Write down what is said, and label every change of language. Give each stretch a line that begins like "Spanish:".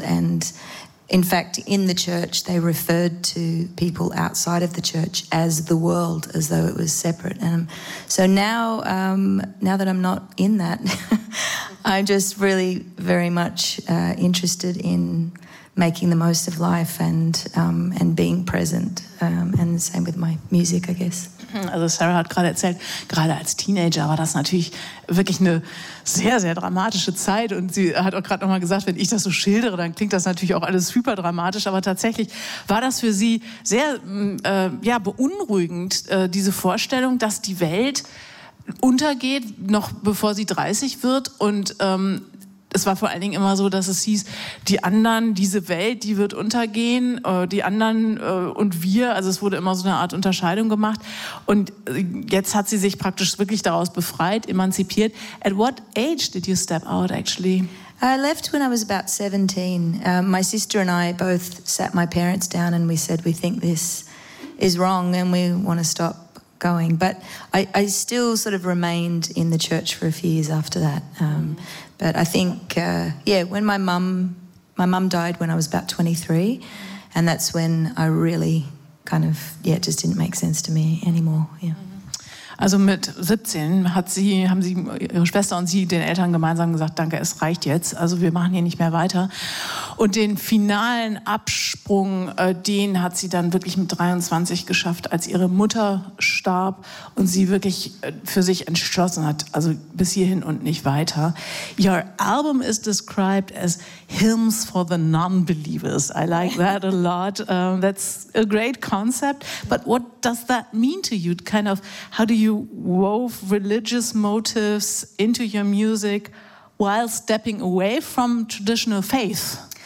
English: And in fact, in the church, they referred to people outside of the church as the world, as though it was separate. And so now that I'm not in that, I'm just really very much interested in making the most of life and being present. And the same with my music, I guess.
German: Also Sarah hat gerade erzählt, gerade als Teenager war das natürlich wirklich eine sehr, sehr dramatische Zeit. Und sie hat auch gerade nochmal gesagt, wenn ich das so schildere, dann klingt das natürlich auch alles super dramatisch. Aber tatsächlich war das für sie sehr beunruhigend, diese Vorstellung, dass die Welt untergeht, noch bevor sie 30 wird. Und es war vor allen Dingen immer so, dass es hieß, die anderen, diese Welt, die wird untergehen, die anderen und wir. Also es wurde immer so eine Art Unterscheidung gemacht. Und jetzt hat sie sich praktisch wirklich daraus befreit, emanzipiert.
English: At what age did you step out, actually? I left when I was about 17. My sister and I both sat my parents down and we said, we think this is wrong and we want to stop going. But I still sort of remained in the church for a few years after that. But I think, when my mum died when I was about 23, and that's when I really kind of, it just didn't make sense to me anymore, yeah.
German: Also mit 17 haben sie ihre Schwester und sie den Eltern gemeinsam gesagt, danke, es reicht jetzt, also wir machen hier nicht mehr weiter. Und den finalen Absprung, den hat sie dann wirklich mit 23 geschafft, als ihre Mutter starb und sie wirklich für sich entschlossen hat, also bis hierhin und nicht weiter.
English: Your album is described as hymns for the non-believers. I like that a lot. That's a great concept. But what does that mean to you? Kind of, how do you wove religious motives into your music while stepping away from traditional faith?